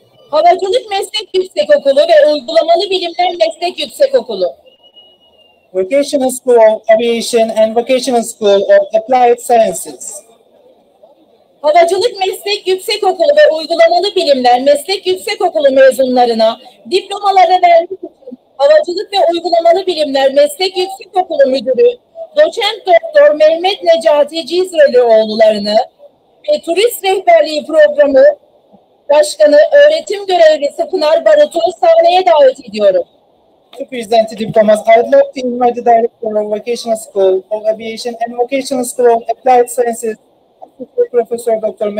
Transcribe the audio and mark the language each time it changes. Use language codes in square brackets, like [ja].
[tr] Havacılık Meslek Yüksekokulu ve Uygulamalı Bilimler Meslek Yüksekokulu. [en] Vocational School of Aviation and Vocational School of Applied Sciences. [tr] Havacılık Meslek Yüksekokulu ve Uygulamalı Bilimler Meslek Yüksekokulu mezunlarına diplomaları vermek için Havacılık ve Uygulamalı Bilimler Meslek Yüksekokulu Müdürü Doçent Doktor Mehmet Necati Cizrelioğlu'larını ve Turist Rehberliği Programı Başkanı Öğretim Görevlisi Pınar Barut'u sahneye davet ediyorum. [en] To present the diplomas, I'd like to invite the Director of Vocational School of Aviation and Vocational School of Applied Sciences, Professor Dr.